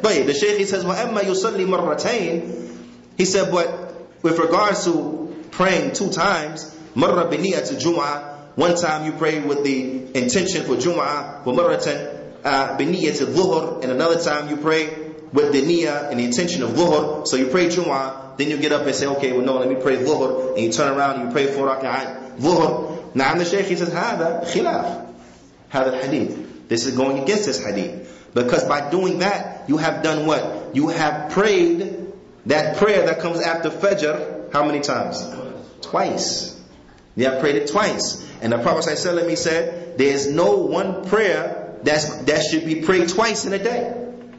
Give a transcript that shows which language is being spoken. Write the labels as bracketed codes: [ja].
[en] But the Shaykh, he says, [ar] وَأَمَّا يُصَلِّي مَرَّتَيْنِ. [en] He said, but with regards to praying two times, [ar] مَرَّ بِنِيَةِ [en] Jumu'ah, one time you pray with the intention for Jumu'ah, [ar] وَمَرَّةً بِنِيَةِ [en] Dhuhr, and another time you pray with the niyyah and the intention of Dhuhr. So you pray Jumu'ah, then you get up and say, okay, well no, let me pray Dhuhr. And you turn around and you pray four raka'at Dhuhr. Now the Shaykh, he says, [ar] هذا خلاف هذا الحديث. [en] This is going against this hadith. Because by doing that, you have done what? You have prayed that prayer that comes after Fajr, how many times? Twice. You have prayed it twice. And the Prophet صلى الله عليه وسلم, he said, there is no one prayer that should be prayed twice in a day.